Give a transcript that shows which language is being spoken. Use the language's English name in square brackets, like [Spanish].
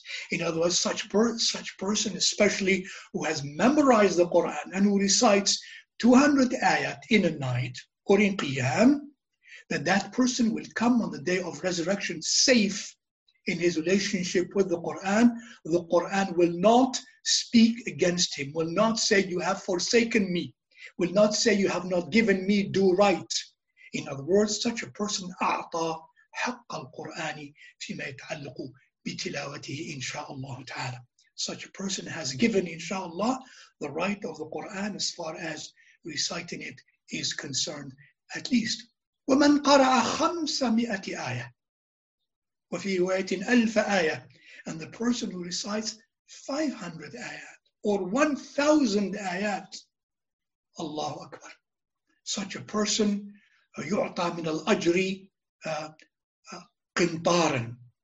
[English] In other words, such person, especially who has memorized the Quran and who recites 200 ayat in a night, or in qiyam, that person will come on the day of resurrection safe in his relationship with the Quran. The Quran will not speak against him, will not say, you have forsaken me, will not say, you have not given me due right. In other words, such a person, [Arabic] أعطى حق القرآن فيما يتعلق بتلاوته إن شاء الله تعالى. [English] Such a person has given, inshallah, the right of the Quran as far as reciting it is concerned, at least. [Arabic] ومن قرأ 500 آية وفي رواية 1000 آية. [English] And the person who recites 500 آيات or 1000 آيات, [Arabic] الله أكبر. [English] Such a person [Arabic] يعطى من الأجر قنطارا.